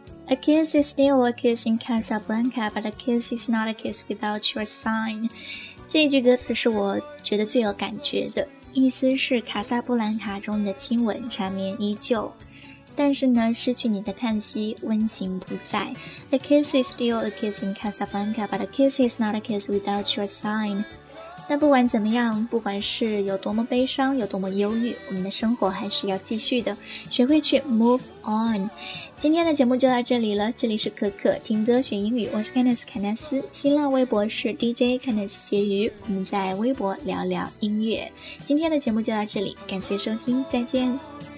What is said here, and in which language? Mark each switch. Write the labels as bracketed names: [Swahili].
[English] A kiss is still a kiss in Casablanca, but a kiss is not a kiss without your sign. [Chinese] 这一句歌词是我觉得最有感觉的，意思是卡萨布兰卡中的亲吻缠绵依旧，但是呢，失去你的叹息温情不在。 [English] A kiss is still a kiss in Casablanca, but a kiss is not a kiss without your sign. [Chinese] 那不管怎么样，不管是有多么悲伤，有多么忧郁，我们的生活还是要继续的，学会去 move on。今天的节目就到这里了，这里是可可听歌学英语，我是 Candice 凯奈斯，新浪微博是 DJ Candice 婕妤，我们在微博聊聊音乐。今天的节目就到这里，感谢收听，再见。